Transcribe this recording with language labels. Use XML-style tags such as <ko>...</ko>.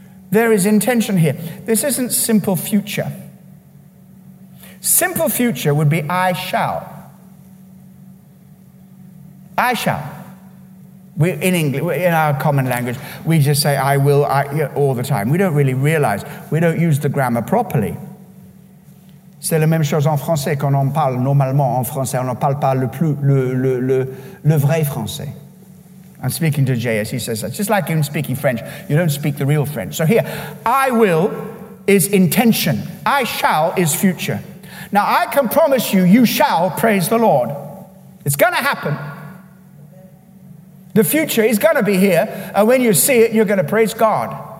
<en>There is intention here. This isn't simple future. Simple future would be I shall. I shall. We in English, in our common language, we just say I will all the time. We don't really realize. We don't use the grammar properly.</en> <fr>C'est la même chose en français quand on parle normalement en français. On ne parle pas le vrai français.</fr> <en>I'm speaking to J.S. He says that. Just like him speaking French, you don't speak the real French. So here, I will is intention. I shall is future. Now, I can promise you, you shall praise the Lord. It's going to happen. The future is going to be here. And when you see it, you're going to praise God.</en>